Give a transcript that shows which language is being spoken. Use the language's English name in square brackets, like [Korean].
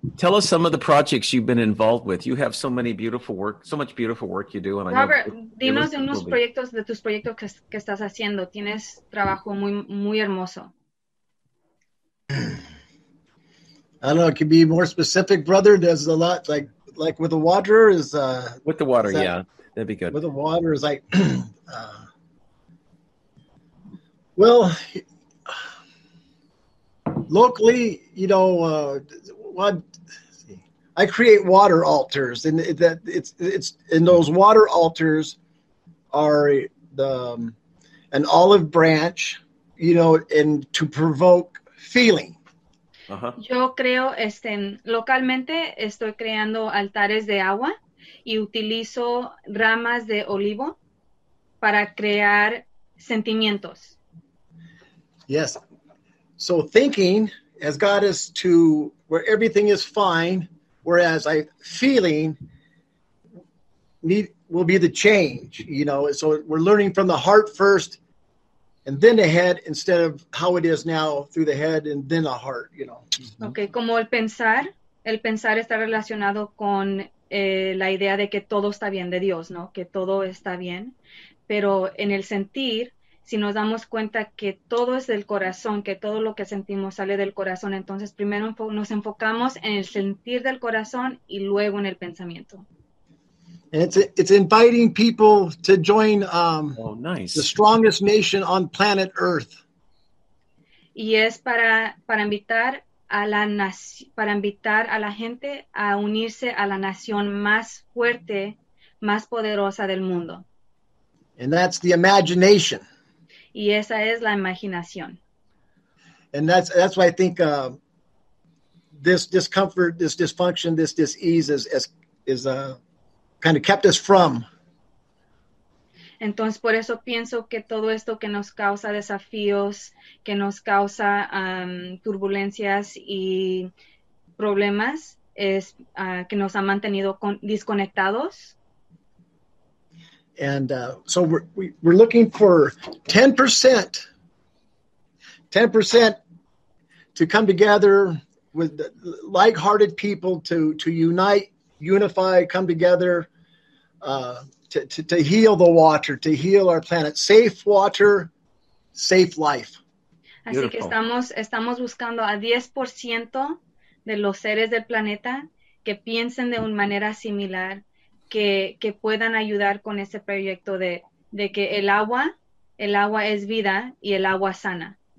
[English] Tell us some of the projects you've been involved with. You have so much beautiful work you do. And [Spanish] Robert, dinos de unos proyectos, de tus proyectos que estás haciendo. Tienes trabajo muy, muy hermoso. [English] I don't know, it could be more specific, brother. There's a lot, like with the water is... with the water, yeah. That'd be good. With the water is like... well, locally, you know, I create water altars, and that it's and those water altars are the an olive branch, you know, and to provoke feeling. Uh-huh. [Spanish] Yo creo localmente estoy creando altares de agua y utilizo ramas de olivo para crear sentimientos. [English] Yes. So thinking has got us to where everything is fine, whereas I feeling need will be the change, you know. So we're learning from the heart first and then the head instead of how it is now through the head and then the heart, you know. Mm-hmm. [Spanish] Okay, como el pensar está relacionado con la idea de que todo está bien de Dios, ¿no? Que todo está bien. Pero en el sentir, si nos damos cuenta que todo es del corazón, que todo lo que sentimos sale del corazón, entonces primero nos enfocamos en el sentir del corazón y luego en el pensamiento. [English] And it's inviting people to join nice. The strongest nation on planet Earth. [Spanish] Y es para invitar a la gente a unirse a la nación más fuerte, más poderosa del mundo. [English] And that's the imagination. [Spanish] Y esa es la imaginación. [English] And that's why I think this discomfort, this dysfunction, this dis-ease is kind of kept us from. [Spanish] Entonces, por eso pienso que todo esto que nos causa desafíos, que nos causa turbulencias y problemas, es que nos ha mantenido desconectados. [English] And so we're looking for 10% to come together with like-hearted people to unite, unify, come together to heal the water, to heal our planet. Safe water, safe life. [Spanish] Así que estamos buscando a 10% de los seres del planeta que piensen de una manera similar, que puedan ayudar con ese proyecto de que el agua es vida y el agua sana.